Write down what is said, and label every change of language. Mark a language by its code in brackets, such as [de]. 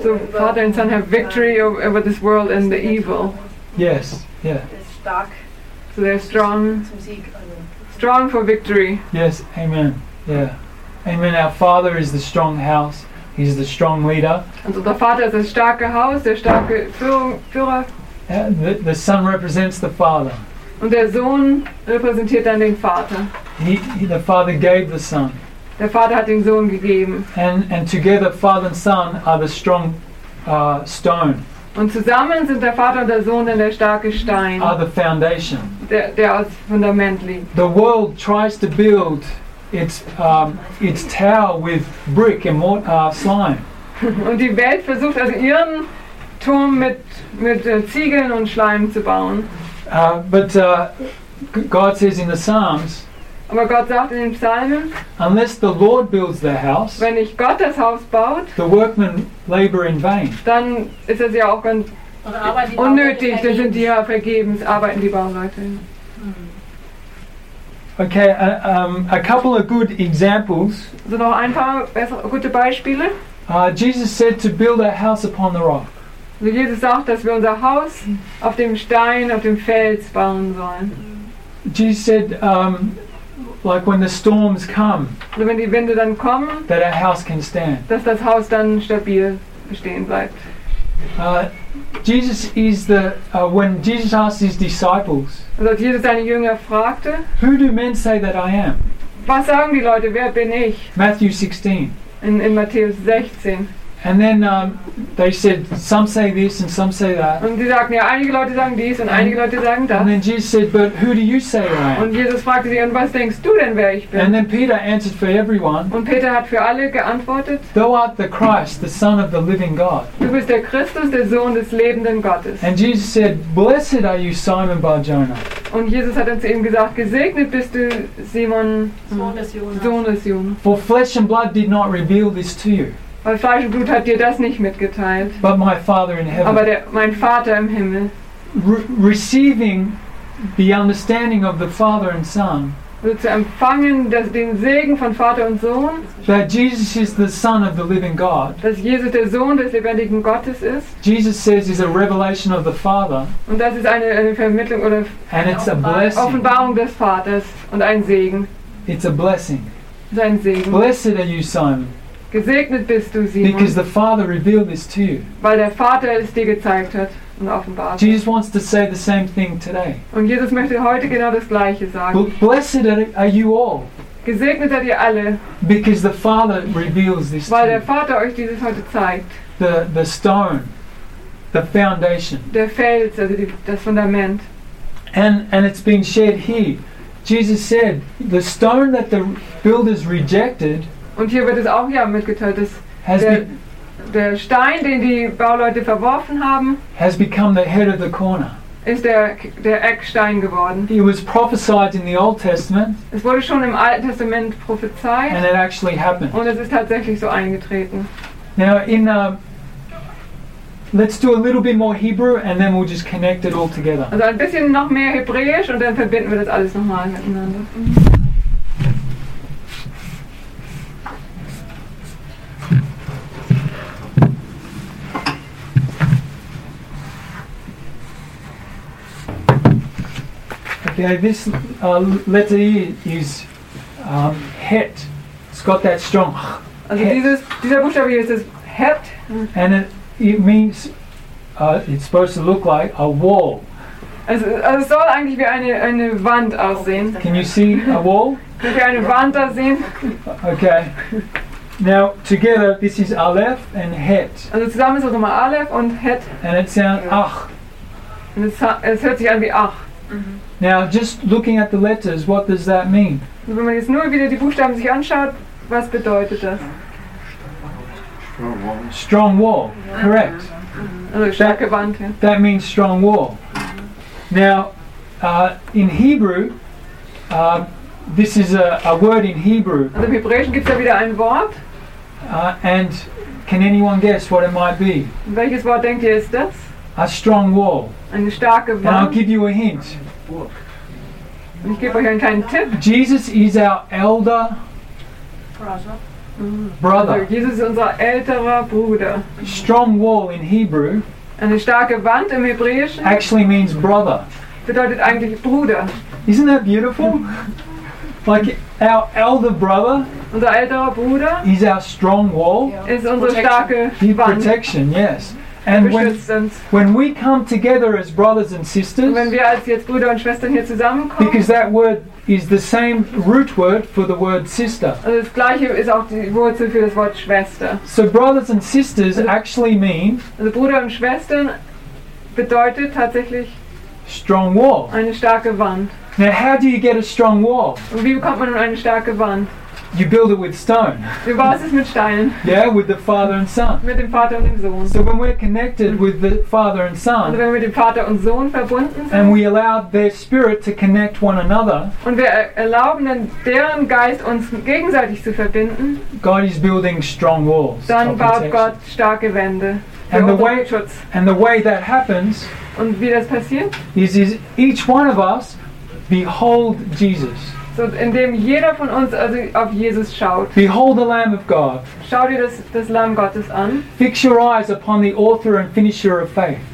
[de] so und über [en] Father and Son have victory over this world and the evil. Yes, yeah. [de] Ist stark. [en] So they're strong. [de] Zum Sieg, also [en] strong for victory. Yes, amen. Yeah. Amen. Our Father is the strong house. He's the strong leader. [de] Also der Vater ist das starke Haus, der starke Führer. [en] The Son represents the Father. [de] Und der Sohn repräsentiert dann den Vater. [en] The Father gave the Son. [de] Der Vater hat den Sohn gegeben. [en] And together Father and Son are the strong stone. [de] Und zusammen sind der Vater und der Sohn dann der starke Stein. [en] Are the foundation. [de] Der als Fundament liegt. [en] The world tries to build its tower with brick and mortar slime. [de] Und die Welt versucht also ihren Turm mit Ziegeln und Schleim zu bauen. [en] God says in the Psalms. [de] Aber Gott sagt in den Psalmen. [en] Unless the Lord builds the house. [de] Wenn nicht Gott das Haus baut. [en] The workmen labor in vain. [de] Dann ist es ja auch ganz unnötig. Dann sind die ja vergebens. Arbeiten die Bauleute. [en] Okay, a couple of good examples. [de] So noch ein paar gute Beispiele. [en] Jesus said to build a house upon the rock. [de] Also Jesus sagt, dass wir unser Haus auf dem Stein, auf dem Fels bauen sollen. [en] Jesus said, like when the storms come, [de] also wenn die Winde dann kommen, [en] that our house can stand. [de] Dass das Haus dann stabil bestehen bleibt. [en] Jesus is the when Jesus asked his disciples, [de] also als Jesus seine Jünger fragte, [en] who do men say that I am? [de] Was sagen die Leute, wer bin ich? [en] Matthew 16. [de] In Matthäus 16. [en] And then they said, some say this and some say that. [de] Und sie sagten, ja, einige Leute sagen dies und einige Leute sagen das. [en] And then Jesus said, but who do you say I am? [de] Und Jesus fragte sie, und was denkst du denn, wer ich bin? [en] And then Peter answered for everyone. [de] Und Peter hat für alle geantwortet. [en] Thou art the Christ, the Son of the living God. [de] Du bist der Christus, der Sohn des lebenden Gottes. [en] And Jesus said, blessed are you, Simon Bar-Jonah. [de] Und Jesus hat uns eben gesagt, gesegnet bist du, Simon, Sohn des Jonas. [en] For flesh and blood did not reveal this to you. [de] Weil Fleisch und Blut hat dir das nicht mitgeteilt. [en] But my Father in heaven. [de] Aber mein Vater im Himmel. [en] Receiving the understanding of the Father and Son. [de] Also zu empfangen den Segen von Vater und Sohn. [en] That Jesus is the Son of the living God. [de] Dass Jesus der Sohn des lebendigen Gottes ist. [en] Jesus says is a revelation of the Father. [de] Und das ist eine Vermittlung oder [en] and it's a blessing. [de] Offenbarung des Vaters und ein Segen. [en] It's a blessing. [de] Sein Segen. [en] Blessed are you, Simon. [de] Gesegnet bist du, Simon. [en] Because the Father revealed this to you. [de] Weil der Vater es dir gezeigt hat und offenbart hat. [en] Jesus wants to say the same thing today. [de] Und Jesus möchte heute genau das Gleiche sagen. [en] Blessed are you all. [de] Gesegnet seid ihr alle. [en] Because the Father reveals this to you. [de] Weil der Vater euch dieses heute zeigt. [en] The stone, the foundation. [de] Der Fels, also das Fundament. [en] And it's been shared here. Jesus said, the stone that the builders rejected. [de] Und hier wird es auch ja mitgeteilt, dass der Stein, den die Bauleute verworfen haben, [en] has become the head of the corner. [de] Ist der Eckstein geworden. [en] It was prophesied in the Old Testament. [de] Es wurde schon im Alten Testament prophezeit. [en] And it actually happened. [de] Und es ist tatsächlich so eingetreten. [en] Now in let's do a little bit more Hebrew and then we'll just connect it all together. [de] Also ein bisschen noch mehr Hebräisch und dann verbinden wir das alles nochmal miteinander. [en] Okay, Okay, this letter E is het. It's got that strong. [de] Dieser Buchstabe hier ist das het. [en] And it means it's supposed to look like a wall. [de] Also es soll eigentlich wie eine Wand aussehen. [en] Can you see a wall? [de] Könnt ihr eine Wand da sehen? [en] Okay. Now together this is Aleph and Het. [de] Also zusammen ist es nochmal Aleph und Het. [en] And it sounds Ach. [de] Und es hört sich an wie Ach. [en] Now just looking at the letters, what does that mean? [de] Wenn man jetzt nur wieder die Buchstaben sich anschaut, was bedeutet das? [en] Strong wall. Strong wall. Correct. [de] Also starke Wand. Ja. [en] That means strong wall. Now, in Hebrew, this is a word in Hebrew. [de] Also im Hebräischen gibt's da wieder ein Wort. [en] And can anyone guess what it might be? [de] Welches Wort denkt ihr ist das? [en] A strong wall. [de] Eine starke Wand. [en] And I'll give you a hint. [de] Ich gebe euch einen kleinen Tipp. [en] Jesus is our elder brother. [de] Also Jesus ist unser älterer Bruder. [en] Strong wall in Hebrew. [de] Eine starke Wand im Hebräischen [en] actually means brother. [de] Bedeutet eigentlich Bruder. [en] Isn't that beautiful? Like our elder brother. [de] Unser älterer Bruder. [en] Is our strong wall. [de] Ist unsere starke Wand. Die [en] Protection, yes. And when we come together as brothers and sisters, [de] wenn wir als jetzt Brüder und Schwestern hier zusammenkommen, [en] because that word is the same root word for the word sister. [de] Also das gleiche ist auch die Wurzel für das Wort Schwester. [en] So brothers and sisters actually mean. [de] Also Brüder und Schwestern bedeutet tatsächlich [en] strong wall. [de] Eine starke Wand. [en] Now how do you get a strong wall? [de] Und wie bekommt man eine starke Wand? [en] You build it with stone. [de] Du baust es mit Steinen. [en] Yeah, with the Father and Son. [de] Mit dem Vater und dem Sohn. [en] So when we're connected with the Father and Son, [de] also wenn wir mit dem Vater und Sohn verbunden sind, [en] and we allow their spirit to connect one another, [de] und wir erlauben dann deren Geist uns gegenseitig zu verbinden, [en] God is building strong walls. [de] Dann baut Gott starke Wände. [en] And the way that happens, [de] und wie das passiert, [en] is each one of us behold Jesus. [de] So, indem jeder von uns also auf Jesus schaut. [en] Behold the Lamb of God. [de] Schau dir das Lamm Gottes an. [en] Fix your eyes upon the author and finisher of faith.